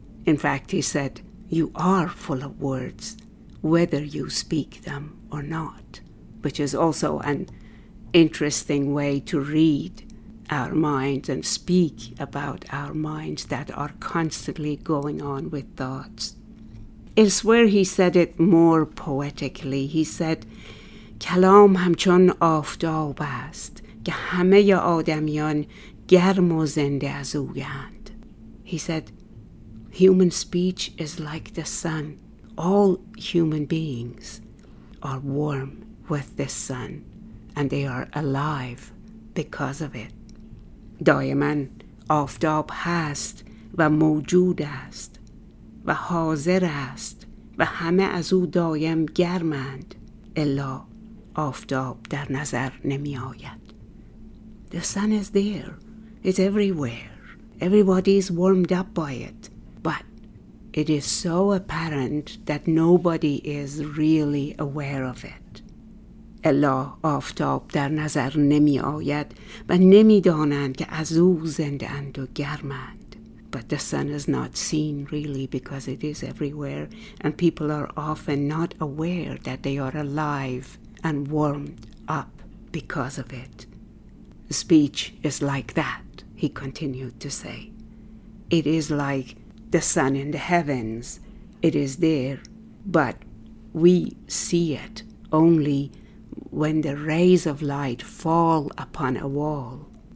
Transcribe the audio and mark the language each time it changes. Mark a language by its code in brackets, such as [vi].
[en] In fact, he said, you are full of words, whether you speak them or not, which is also an interesting way to read our minds and speak about our minds that are constantly going on with thoughts. Elsewhere, he said it more poetically. He said, [fa] کلام همچون آفتاب است که همه آدمیان گرم و زنده از اویند. [en] He said, human speech is like the sun. All human beings are warm with the sun, and they are alive because of it. [fa] دایمان آفتاب هست و موجود است و حاضر است و همه از او دایم گرمند الا آفتاب در نظر نمی آید. [en] The sun is there. It's everywhere. Everybody is warmed up by it. But it is so apparent that nobody is really aware of it. [fa] الا آفتاب در نظر نمی آید و نمی دانند که از او زنده اند و گرمند. [en] But the sun is not seen really because it is everywhere and people are often not aware that they are alive and warmed up because of it. Speech is like that, he continued to say. It is like the sun in the heavens. It is there, but we see it only when the rays of light fall upon a wall.